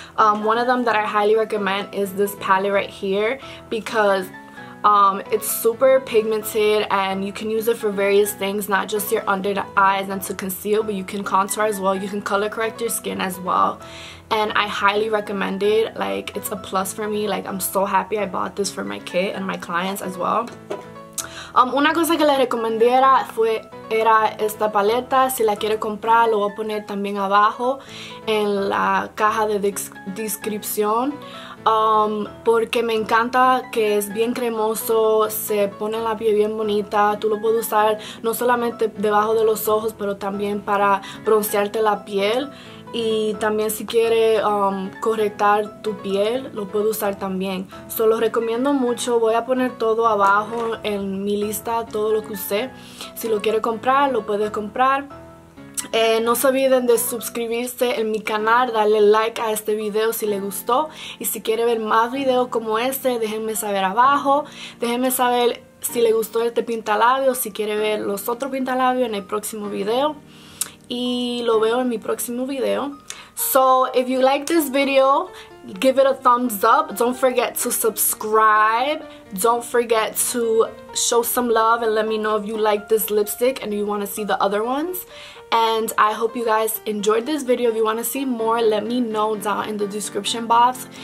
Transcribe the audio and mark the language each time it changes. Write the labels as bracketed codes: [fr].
[en] One of them that I highly recommend is this palette right here because it's super pigmented and you can use it for various things, not just your under the eyes and to conceal, but you can contour as well, you can color correct your skin as well. And I highly recommend it, like it's a plus for me. Like I'm so happy I bought this for my kit and my clients as well. [es] Una cosa que le recomendara fue era esta paleta. Si la quiere comprar, lo voy a poner también abajo en la caja de descripción. Porque me encanta que es bien cremoso, se pone la piel bien bonita. Tú lo puedes usar no solamente debajo de los ojos, pero también para broncearte la piel. Y también si quiere correctar tu piel, lo puedo usar también. So, lo recomiendo mucho. Voy a poner todo abajo en mi lista, todo lo que usé. Si lo quiere comprar, lo puedes comprar. No se olviden de suscribirse en mi canal, darle like a este video si le gustó. Y si quiere ver más videos como este, déjenme saber abajo. Déjenme saber si le gustó este pintalabio, si quiere ver los otros pintalabios en el próximo video. Y lo veo en mi próximo video. [en] So if you like this video, give it a thumbs up. Don't forget to subscribe. Don't forget to show some love and let me know if you like this lipstick and you want to see the other ones. And I hope you guys enjoyed this video. If you want to see more, let me know down in the description box.